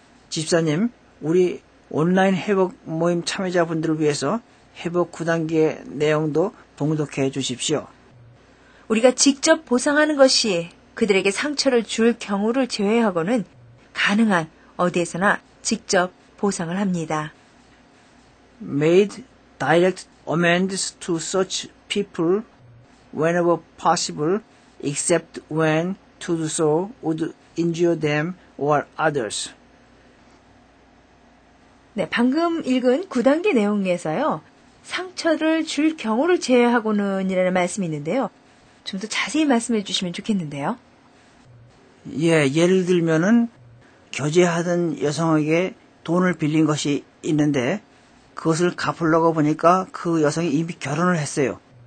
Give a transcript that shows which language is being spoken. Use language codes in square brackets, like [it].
[ko] 집사님, 우리 온라인 회복 모임 참여자분들을 위해서 회복 9단계 내용도 봉독해 주십시오. 우리가 직접 보상하는 것이 그들에게 상처를 줄 경우를 제외하고는 가능한 어디에서나 직접 보상을 합니다. [en] Made direct amends to such people whenever possible, except when to do so would injure them or others. [ko] 네, 방금 읽은 9단계 내용에서요, 상처를 줄 경우를 제외하고는 이라는 말씀이 있는데요. 좀 더 자세히 말씀해 주시면 좋겠는데요. 예, 예를 들면은 교제하던 여성에게 돈을 빌린 것이 있는데 그것을 갚으려고 보니까 그 여성이 이미 결혼을 했어요.